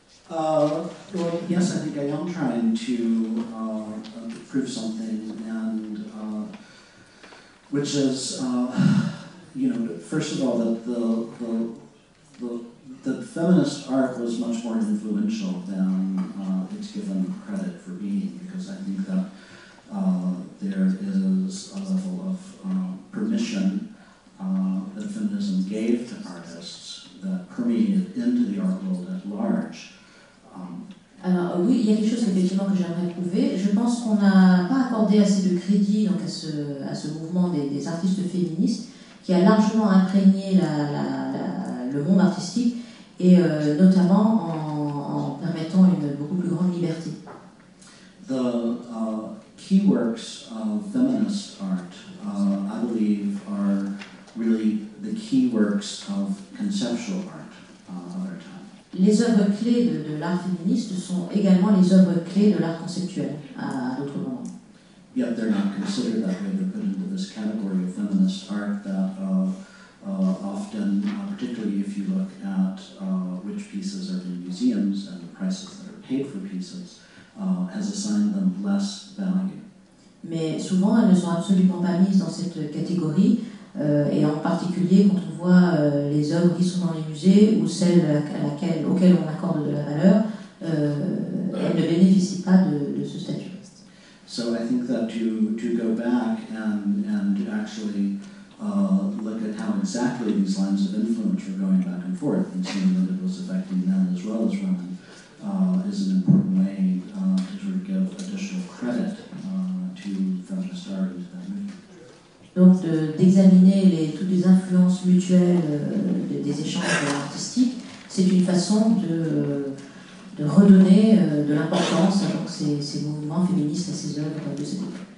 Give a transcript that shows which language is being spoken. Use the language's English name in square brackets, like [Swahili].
[English] Well, yes, I think I am trying to prove something, and which is, you know, first of all, that the feminist arc was much more influential than it's given credit for being, because I think that there is a level of permission that feminism gave to artists that permeated into the art world at large. [French] Alors oui, il y a quelque chose effectivement que j'aimerais prouver. Je pense qu'on n'a pas accordé assez de crédit donc à ce mouvement des artistes féministes qui a largement imprégné le monde artistique. Et notamment en permettant une beaucoup plus grande liberté. [English] The key works of feminist art, I believe, are really the key works of conceptual art of our time. [French] Les œuvres clés de l'art féministe sont également les œuvres clés de l'art conceptuel à d'autres moments. [English] Yet they're not considered that way. They're put into this category of feminist art that. Often, particularly if you look at which pieces are in museums and the prices that are paid for pieces, has assigned them less value. [French] Mais souvent, elles ne sont absolument pas mises dans cette catégorie, et en particulier quand on voit les œuvres qui sont dans les musées ou celles auxquelles on accorde de la valeur, elles ne bénéficient pas de ce statut. [English] So I think that to go back and actually. Look at how exactly these lines of influence are going back and forth, and seeing that it was affecting men as well as women is an important way to sort of give additional credit to feminist art and to that movement. [French] Donc d'examiner toutes les influences mutuelles des échanges artistiques, c'est une façon de redonner de l'importance à ces mouvements féministes, à ces œuvres de cette époque.